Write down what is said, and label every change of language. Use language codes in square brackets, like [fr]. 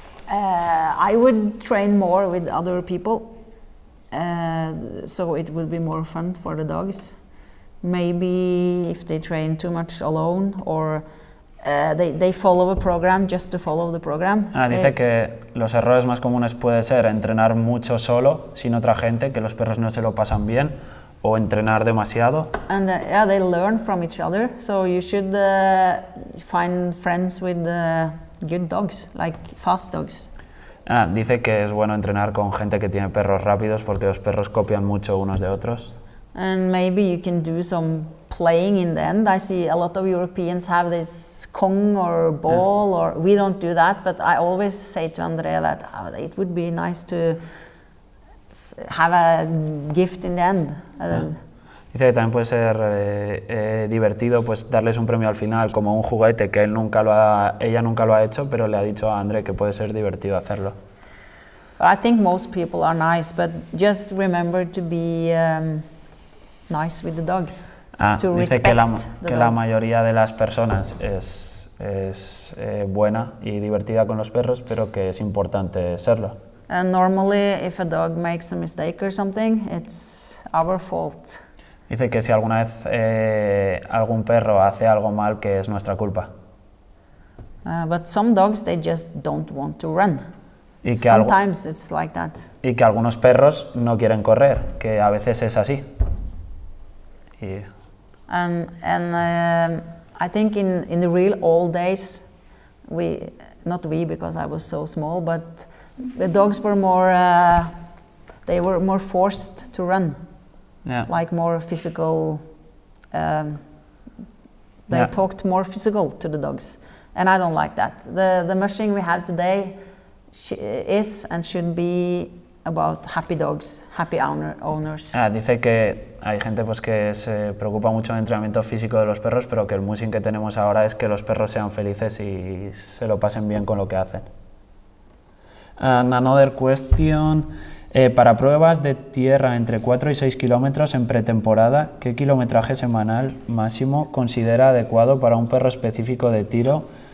[en] I would train more with other people, so it would be more fun for the dogs. Maybe if they train too much alone, or they follow a program just to follow the program. [es] Dice que los errores más comunes puede ser entrenar mucho solo, sin otra gente, que los perros no se lo pasan bien, o entrenar demasiado. [en] And yeah, they learn from each other, so you should find friends with good dogs, like fast dogs. [es] Dice que es bueno entrenar con gente que tiene perros rápidos porque los perros copian mucho unos de otros. [en] And maybe you can do some playing in the end. I see a lot of Europeans have this kong or ball, or we don't do that, but I always say to Andrea that it would be nice to have a gift in the end. [es] Dice que también puede ser divertido pues darles un premio al final como un juguete que él nunca lo ha, ella nunca lo ha hecho, pero le ha dicho a André que puede ser divertido hacerlo. [en] I think most people are nice, but just remember to be nice with the dog. To [es] dice [en] respect [es] que, la, [en] the [es] que [en] dog. [es] La mayoría de las personas es buena y divertida con los perros, pero que es importante serlo. [en] And normally if a dog makes a mistake or something, it's our fault. [es] Dice que si alguna vez algún perro hace algo mal, que es nuestra culpa. [en] But some dogs, they just don't want to run. Sometimes it's like that. [es] Y que algunos perros no quieren correr, que a veces es así. [en] Yeah. And I think in the real old days, we, not we because I was so small, but the dogs were more, they were more forced to run. Yeah. Like more physical, they yeah. talked more physical to the dogs, and I don't like that. The mushing we have today is and should be about happy dogs, happy owners. Dice que hay gente pues que se preocupa mucho el entrenamiento físico de los perros, pero que el mushing que tenemos ahora es que los perros sean felices y se lo pasen bien con lo que hacen. And another question. [es] Para pruebas de tierra entre 4 y 6 kilómetros en pretemporada, ¿qué kilometraje semanal máximo considera adecuado para un perro específico de tiro?